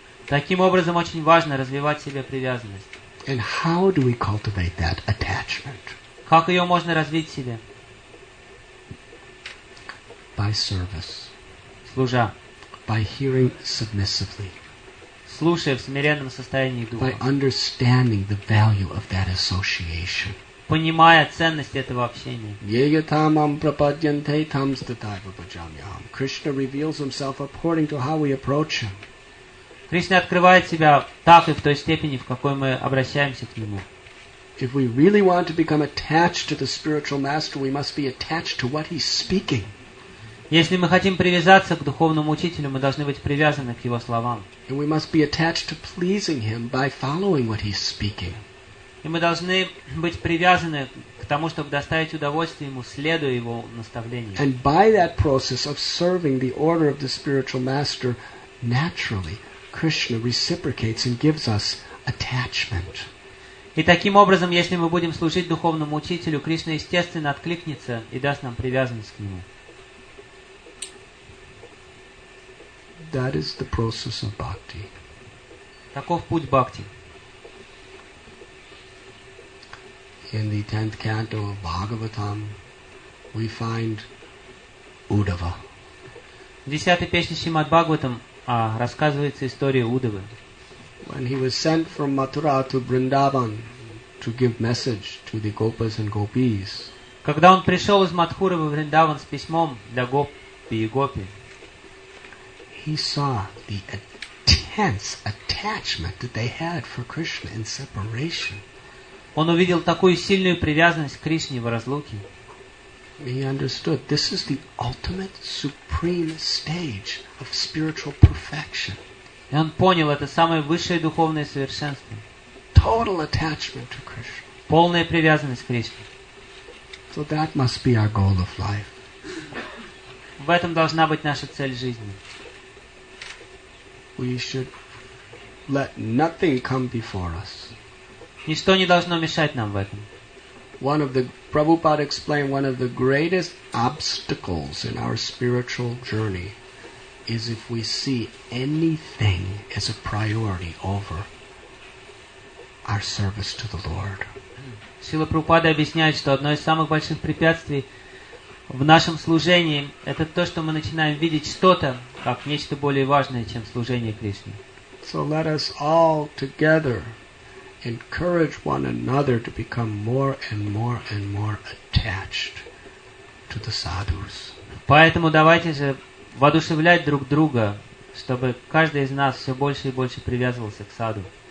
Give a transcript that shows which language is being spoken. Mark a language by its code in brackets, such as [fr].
[ru] Таким образом, очень важно развивать в себе привязанность. [en] And how do we cultivate that attachment? [ru] Как ее можно развить в себе? [en] by service. [ru] Служа. [en] By hearing submissively. [ru] Слушая в смиренном состоянии духа. [en] By understanding the value of that association. [ru] Понимая ценность этого общения. [sa] Yeya tamam prapadyante tamstataiva bhajamyaham. [en] Krishna reveals himself according to how we approach him. [ru] Кришна открывает себя так и в той степени, в какой мы обращаемся к нему. [en] If we really want to become attached to the spiritual master, we must be attached to what he's speaking. [ru] Если мы хотим привязаться к духовному учителю, мы должны быть привязаны к его словам. [en] And we must be attached to pleasing him by following what he's speaking. [ru] И мы должны быть привязаны к тому, чтобы доставить удовольствие ему, следуя его наставлениям. [en] And by that process of serving the order of the spiritual master, naturally, Krishna reciprocates and gives us attachment. [ru] И таким образом, если мы будем служить духовному учителю, Кришна естественно откликнется и даст нам привязанность к нему. [en] That is the process of bhakti. [ru] Таков путь бхакти. [en] In the 10th canto of Bhagavatam, we find Uddhava. [ru] В 10-й песне Шримад Бхагаватам рассказывается история Удавы. [en] When he was sent from Mathura to Vrindavan to give message to the gopas and gopis. [ru] Когда он пришел из Матхуры во Вриндаван с письмом для гопи и гопи. [en] He saw the intense attachment that they had for Krishna in separation. [ru] Он увидел такую сильную привязанность к Кришне в разлуке. [en] He understood this is the ultimate supreme stage of spiritual perfection. [ru] И он понял, это самое высшее духовное совершенство. [en] Total attachment to Krishna. [ru] Полная привязанность к Кришне. [en] So that must be our goal of life. [ru] В этом должна быть наша цель жизни. [en] We should let nothing come before us. [ru] Ничто не должно мешать нам в этом. [en] One of the Prabhupada explained one of the greatest obstacles in our spiritual journey is if we see anything as a priority over our service to the Lord. [ru] Шрила Прабхупада объясняет, что одно из самых больших препятствий в нашем служении это то, что мы начинаем видеть что-то как нечто более важное, чем служение Кришне. [en] So let us all together encourage one another to become more and more and more attached to the sadhus. [ru] Поэтому давайте же воодушевлять друг друга, чтобы каждый из нас все больше и больше привязывался к саду.